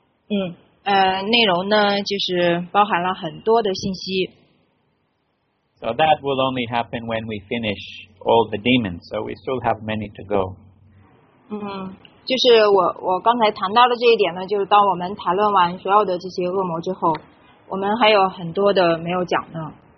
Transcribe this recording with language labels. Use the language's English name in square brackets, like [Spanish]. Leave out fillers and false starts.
[Chinese] 内容呢就是包含了很多的信息。 [English] So that will only happen when we finish all the demons. So we still have many to go. [Chinese] 就是我刚才谈到的这一点呢，就是当我们谈论完所有的这些恶魔之后，我们还有很多的没有讲呢。